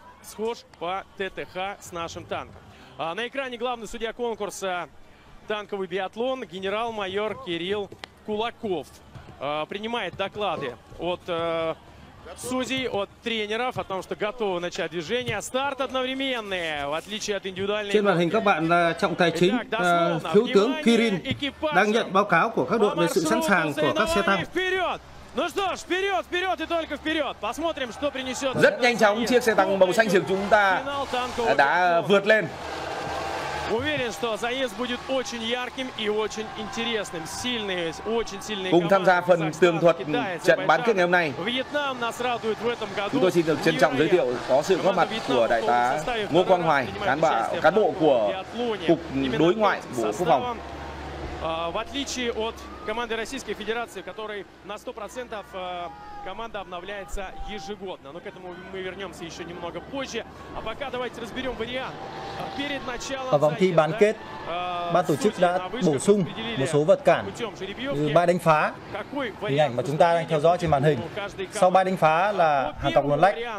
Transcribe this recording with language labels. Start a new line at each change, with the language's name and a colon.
Russian: Схож по ТТХ с нашим танком. На экране главный судья конкурса «Танковый биатлон» генерал-майор Кирилл Кулаков принимает доклады от судей, от тренеров о том, что готовы начать движение. Старт одновременный, в отличие от индивидуальной...
Vietnamese: Trên màn hình các bạn là trọng tài chính, thiếu tướng Кирилл đang нhận báo cáo của các đội về sự sẵn sàng của các xe tăng.
Russian: Ну что ж, вперед, вперед и только вперед. Посмотрим, что принесет.
Vietnamese: Rất nhanh chóng, chiếc xe tăng màu xanh rực chúng ta đã vượt lên.
Russian: Уверен, что заезд будет очень ярким и очень интересным. Сильные, очень сильные.
Vietnamese: Cùng tham gia phần tường thuật trận bán kết ngày hôm nay.
Russian: Vietnam нас радует в этом году.
Vietnamese: Chúng tôi xin được trân trọng giới thiệu có sự góp mặt của đại tá Ngô Quang Hoài, cán bộ của cục đối ngoại Bộ Quốc phòng.
Russian: В отличие от команды Российской Федерации, которой на 100% команда обновляется ежегодно. Но к этому мы вернемся еще немного позже. А пока давайте разберем вариант. Перед началом...
Vietnamese: Ở vòng thi bán kết, ban tổ chức đã bổ sung một số vật cản như bài đánh phá, hình ảnh mà chúng ta đang theo dõi trên màn hình. Sau bài đánh phá là hàng cọc luồn lách.